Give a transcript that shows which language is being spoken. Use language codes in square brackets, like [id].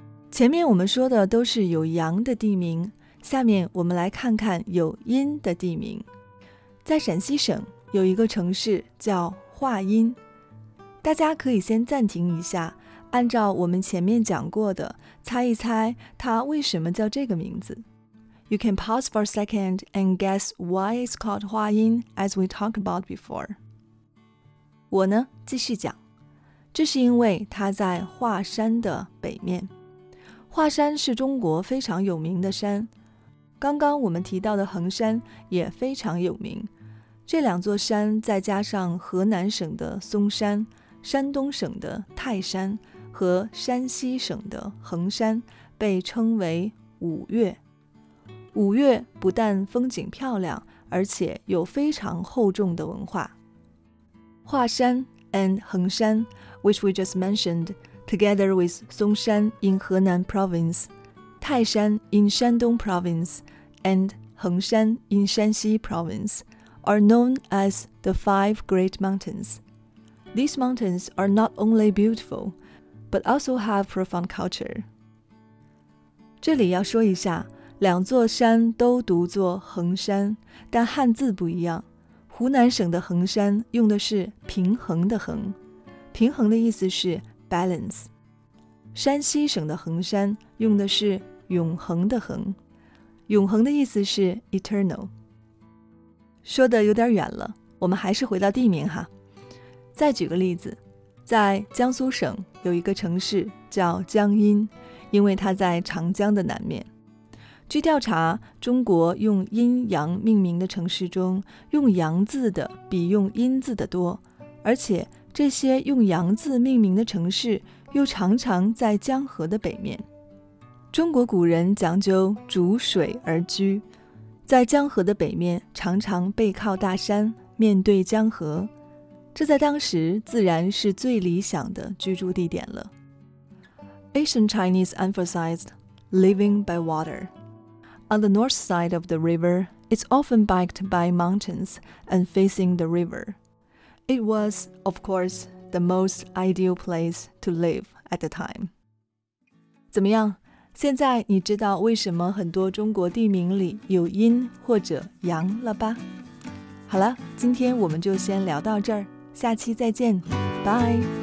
[zh] 前面我们说的都是有阳的地名，下面我们来看看有阴的地名。在陕西省有一个城市叫华阴，大家可以先暂停一下，按照我们前面讲过的，猜一猜它为什么叫这个名字。 [en] You can pause for a second and guess why it's called 华阴 as we talked about before. [zh] 我呢，继续讲，这是因为它在华山的北面。华山是中国非常有名的山，刚刚我们提到的衡山也非常有名。这两座山再加上河南省的嵩山、山东省的泰山和山西省的衡山，被称为五岳。五岳不但风景漂亮，而且有非常厚重的文化。 [en] 华山 and 衡山 which we just mentioned, together with 嵩山 in 河南 province, 泰山 in 山东 province, and 衡山 in 山西 province,are known as the five great mountains. These mountains are not only beautiful, but also have profound culture. [zh] 这里要说一下，两座山都读作衡山，但汉字不一样。湖南省的衡山用的是平衡的衡，平衡的意思是 balance。山西省的衡山用的是永恒的恒，永恒的意思是 eternal。说的有点远了，我们还是回到地名哈。再举个例子，在江苏省有一个城市叫江阴，因为它在长江的南面。据调查，中国用阴阳命名的城市中，用阳字的比用阴字的多，而且这些用阳字命名的城市又常常在江河的北面。中国古人讲究逐水而居，在江河的北面常常背靠大山，面对江河，这在当时自然是最理想的居住地点了。 [en] Ancient Chinese emphasized living by water. On the north side of the river, it's often backed by mountains and facing the river. It was, of course, the most ideal place to live at the time. [zh] 怎么样？现在你知道为什么很多中国地名里有阴或者阳了吧？好了，今天我们就先聊到这儿，下期再见，拜。